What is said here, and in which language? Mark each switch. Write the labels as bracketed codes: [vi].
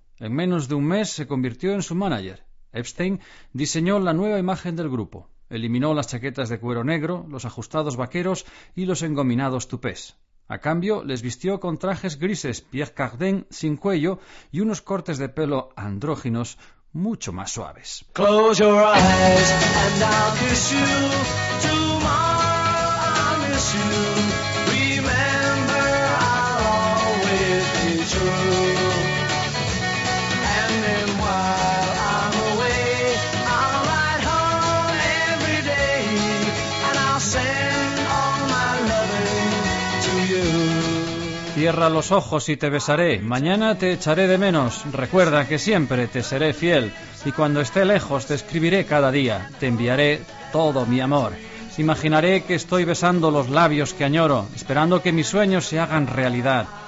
[es] En menos de un mes se convirtió en su manager. Epstein diseñó la nueva imagen del grupo. Eliminó las chaquetas de cuero negro, los ajustados vaqueros y los engominados tupés. A cambio, les vistió con trajes grises Pierre Cardin sin cuello y unos cortes de pelo andróginos mucho más suaves. [en] Close your eyes and I'll kiss you. Tomorrow I'll miss you. Remember, I'll always be true. And then while I'm away, I'll write home every day and I'll send all my loving to you. [es] Cierra los ojos y te besaré. Mañana te echaré de menos. Recuerda que siempre te seré fiel. Y cuando esté lejos te escribiré cada día. Te enviaré todo mi amor. Imaginaré que estoy besando los labios que añoro, esperando que mis sueños se hagan realidad.